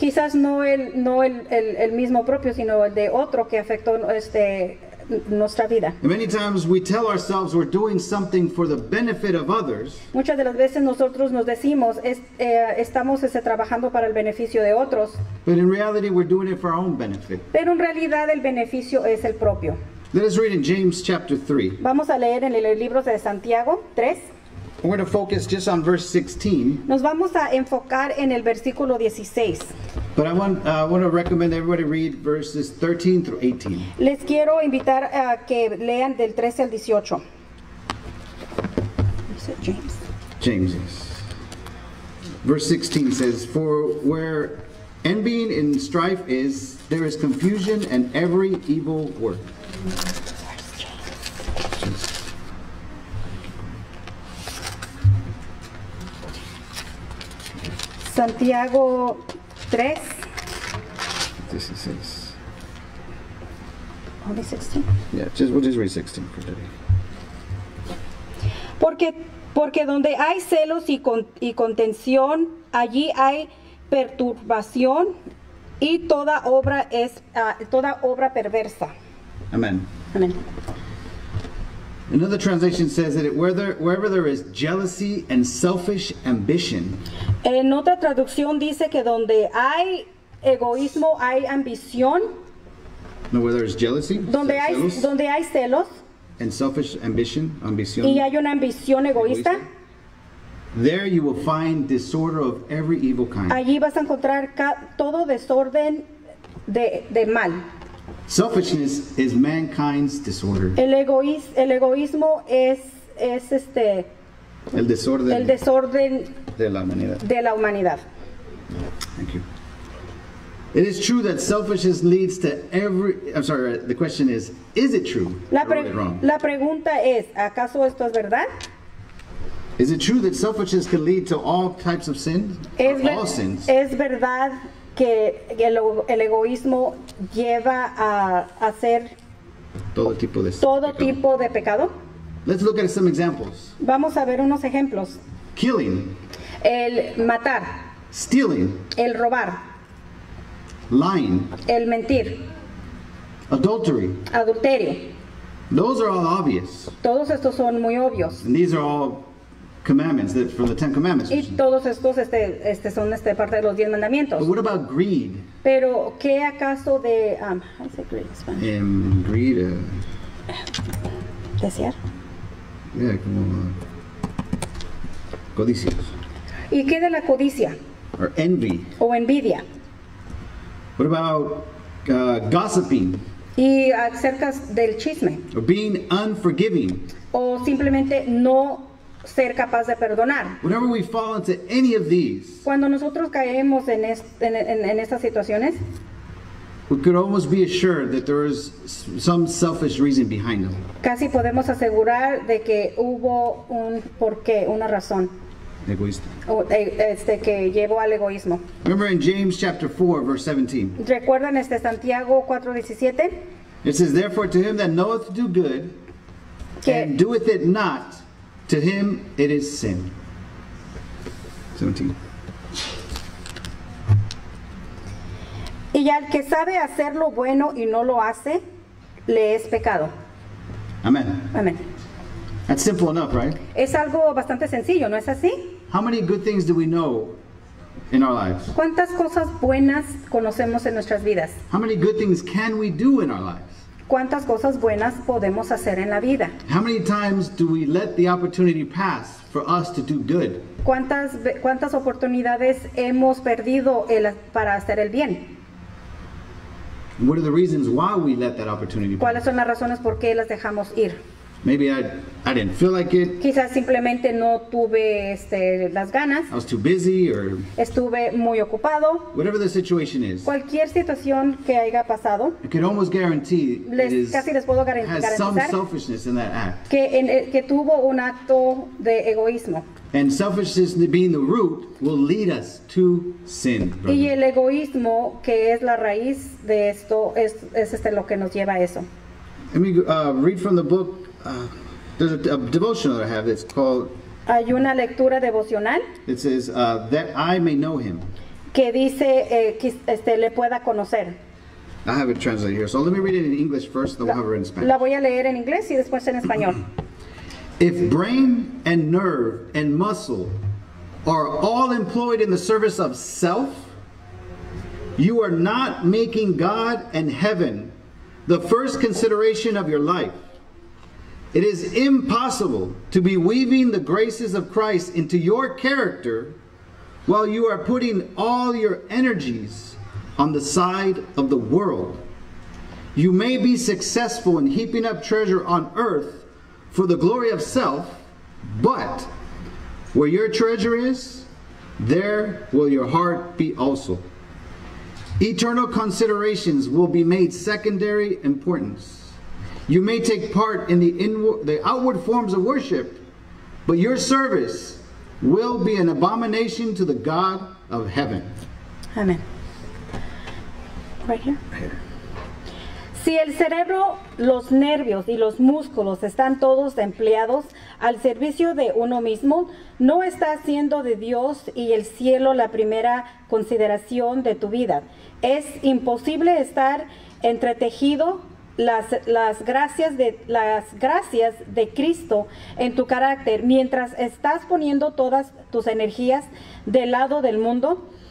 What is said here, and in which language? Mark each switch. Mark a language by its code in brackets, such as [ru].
[es] Quizás no el mismo propio, sino el de otro que afectó nuestra vida. [en] And many times we tell ourselves we're doing something for the benefit of others. [es] Muchas de las veces nosotros nos decimos estamos trabajando para el beneficio de otros. [en] But in reality, we're doing it for our own benefit. [es] Pero en realidad el beneficio es el propio. [en] Let us read in James chapter 3. [es] Vamos a leer en el libro de Santiago 3. [en] We're going to focus just on verse 16. [es] Nos vamos a enfocar en el versículo 16. [en] But I want to recommend everybody read verses 13 through 18. [es] Les quiero invitar a que lean del 13 al 18. [en] James. Verse 16 says, "For where envying and strife is, there is confusion and every evil work." [es] Santiago [en] 3. This is only 16. Yeah, we'll just read 16 for today. [es] Porque donde hay celos y contención, allí hay perturbación y toda obra es toda obra perversa. Amen. Amen. [en] Another translation says that wherever there is jealousy and selfish ambition. [es] En otra traducción dice que donde hay egoísmo hay ambición. [en] No, where there is jealousy. [es] Donde hay celos. [en] And selfish ambition, ambición. [es] Y hay una ambición egoísta. [en] There you will find disorder of every evil kind. [es] Allí vas a encontrar todo desorden de mal. [en] Selfishness is mankind's disorder. [es] El egoísmo es el desorden de la humanidad. [en] Thank you. It is true that selfishness leads to every. I'm sorry. The question is it true? [es] La pregunta es, ¿acaso esto es verdad? [en] Is it true that selfishness can lead to all types of sin? All sins. [es] Es verdad. Que el egoísmo lleva a hacer todo tipo de pecado. [en] Let's look at some examples. [es] Vamos a ver unos ejemplos. [en] Killing. [es] El matar. [en] Stealing. [es] El robar. [en] Lying. [es] El mentir. [en] Adultery. [es] Adulterio. [en] Those are all obvious. [es] Todos estos son muy obvios. [en] And these are all commandments from the Ten Commandments. [es] Y todos estos son parte de los diez mandamientos. [en] But what about greed? [es] Pero qué acaso de [en] how is it greed in Spanish? Greed. [es] Desear. Yeah, como codicias. ¿Y qué de la codicia? [en] Or envy. [es] O envidia. [en] What about gossiping? [es] Y acerca del chisme. [en] Or being unforgiving. [es] O simplemente no ser capaz de perdonar. [en] Whenever we fall into any of these, [es] cuando nosotros caemos en estas situaciones, [en] we could almost be assured that there is some selfish reason behind them. [es] Casi podemos asegurar de que hubo un porqué, una razón. Egoísta. Que llevó al egoísmo. [en] Remember in James chapter 4 verse 17. [es] ¿Recuerdan Santiago 4:17? [en] It says, "Therefore to him that knoweth to do good, and doeth it not, to him it is sin." 17. [es] Y al que sabe hacer lo bueno y no lo hace, le es pecado. Amen. Amen. [en] That's simple enough, right? [es] Es algo bastante sencillo, ¿no es así? [en] How many good things do we know in our lives? [es] ¿Cuántas cosas buenas conocemos en nuestras vidas? [en] How many good things can we do in our lives? [es] ¿Cuántas cosas buenas podemos hacer en la vida? [en] How many times do we let the opportunity pass for us to do good? [es] ¿Cuántas oportunidades hemos perdido para hacer el bien? [en] What are the reasons why we let that opportunity pass? [es] ¿Cuáles son las razones por qué las dejamos ir? [en] Maybe I didn't feel like it. [es] Quizás simplemente no tuve las ganas. [en] I was too busy or [es] estuve muy ocupado. [en] Whatever the situation is. [es] Cualquier situación que haya pasado. [en] I can almost guarantee has some selfishness in that act. [es] Que tuvo un acto de egoísmo. [en] And selfishness being the root will lead us to sin. [es] Y el egoísmo que es la raíz de esto es lo que nos lleva a eso. [en] Let me read from the book. There's a devotional that I have. It's called. [es] Hay una lectura devocional. [en] It says that I may know him. [es] Que dice le pueda conocer. [en] I have it translated here, so let me read it in English first, then we'll have it in Spanish. [es] La voy a leer en inglés y después en español. [en] If brain and nerve and muscle are all employed in the service of self, you are not making God and heaven the first consideration of your life. It is impossible to be weaving the graces of Christ into your character while you are putting all your energies on the side of the world. You may be successful in heaping up treasure on earth for the glory of self, but where your treasure is, there will your heart be also. Eternal considerations will be made secondary importance. You may take part in the outward forms of worship, but your service will be an abomination to the God of heaven. Amen. Right here? [es] Si el cerebro, los nervios y los músculos están todos empleados al servicio de uno mismo, no está haciendo de Dios y el cielo la primera consideración de tu vida. Es imposible estar entretejido las gracias de Cristo en tu carácter mientras estás poniendo todas tus energías del lado del mundo.